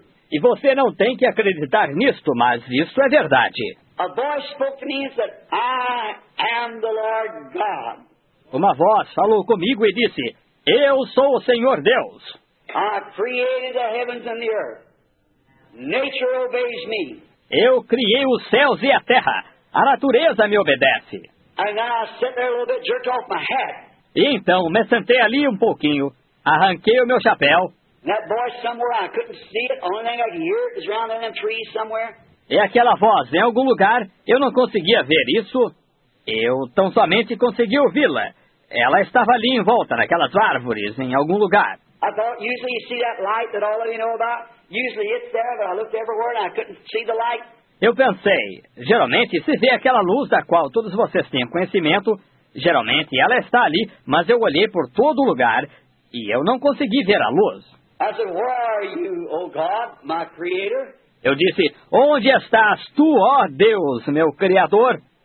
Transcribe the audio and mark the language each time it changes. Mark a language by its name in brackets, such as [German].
[Portuguese] E você não tem que acreditar nisto, mas isto é verdade. [English] A voz spoke to me and said, I am the Lord God. [Portuguese] Uma voz falou comigo e disse, eu sou o Senhor Deus. [English] I created the heavens and the earth. Nature obeys me. [Portuguese] Eu criei os céus e a terra. A natureza me obedece. [English] And then I sat there a little bit, jerked off my hat. [Portuguese] E então me sentei ali um pouquinho, arranquei o meu chapéu. [English] That voice somewhere, I couldn't see it. Only thing I could hear is around in them trees somewhere. [Portuguese] E aquela voz, em algum lugar, eu não conseguia ver isso. Eu tão somente consegui ouvi-la. Ela estava ali em volta, naquelas árvores, em algum lugar. [English] I thought, usually you see that light that all of you know about. Usually it's there, but I looked everywhere and I couldn't see the light. [Portuguese] Eu pensei, geralmente se vê aquela luz da qual todos vocês têm conhecimento, geralmente ela está ali, mas eu olhei por todo lugar e eu não consegui ver a luz. [English] I said, where are you, O God, my creator? [Portuguese] Eu disse, onde estás tu, ó Deus, meu Criador?